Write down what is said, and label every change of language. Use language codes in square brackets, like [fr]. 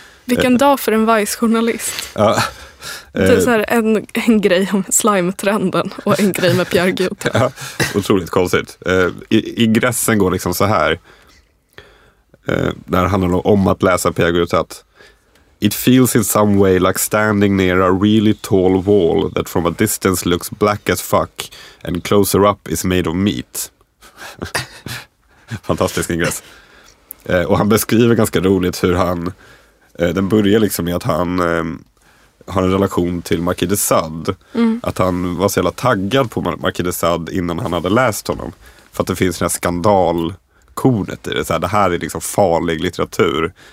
[sv] Vilken dag för en Vice-journalist. Ja. Det är så här en grej om slime-trenden och en grej med Pierre Guillotat. Ja, otroligt konstigt. Ingressen går liksom så här. Där handlar det om att läsa Pierre Guillotat. [en] It feels in some way like standing near a really tall wall that from a distance looks black as fuck and closer up is made of meat. [sv] Fantastisk ingress. Och han beskriver ganska roligt hur han... den börjar liksom med att han... har en relation till Marquis de Sade. Att han var så jävla taggad på Marquis de Sade innan han hade läst honom. För att det finns den här skandalkornet i det. Så här, det här är liksom farlig litteratur.